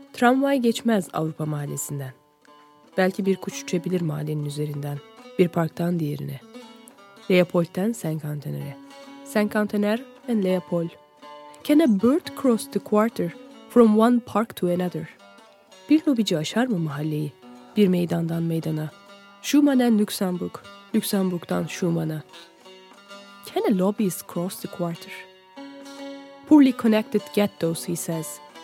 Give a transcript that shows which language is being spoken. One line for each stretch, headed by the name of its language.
Turkish: Tramvay geçmez Avrupa mahallesinden. Belki bir kuş uçabilir mahallenin üzerinden, bir parktan diğerine. Leopold'den Saint-Cantenaire. Saint-Cantenaire and Leopold.
English: Can a bird cross the quarter from one park to another?
Turkish: Bir lobici aşar mı mahalleyi, bir meydandan meydana? Schumann'den Luxemburg, Luxemburg'dan Schumann'a.
English: Can a lobbyist cross the quarter? Poorly connected ghettos, he says.